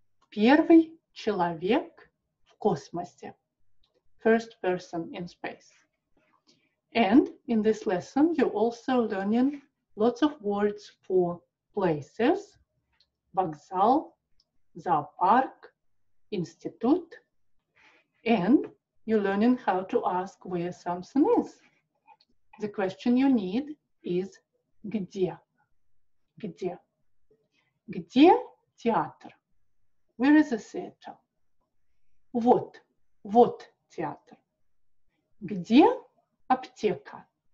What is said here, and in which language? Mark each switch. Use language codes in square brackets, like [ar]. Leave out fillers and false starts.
[ru] Первый человек в космосе. [en] First person in space. And in this lesson, you're also learning lots of words for places. [ru] Вокзал, зоопарк, институт. [en] And you're learning how to ask where something is. The question you need is [ru] где? Где? Где театр? [en] Where is the theater? [ru] Вот, вот театр. Где аптека?